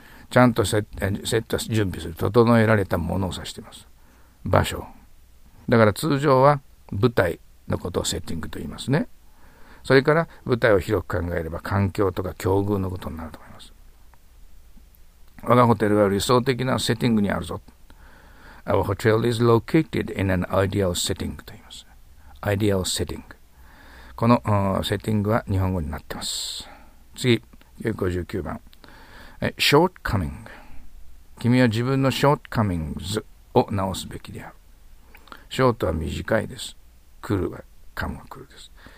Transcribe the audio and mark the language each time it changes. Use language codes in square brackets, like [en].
[ja] ちゃんとセット準備する、整えられたものを指しています。場所。だから通常は舞台のことをセッティングと言いますね。それから舞台を広く考えれば環境とか境遇のことになると思います。我がホテルは理想的なセッティングにあるぞ。 [en] Our hotel is located in an ideal setting [ja] と言います。 [en] Ideal setting。 [ja] このセッティングは日本語になってます。次、59番。Shortcoming。君は自分の shortcomings を直すべきである。 short は短いです。来るは、come は来るです。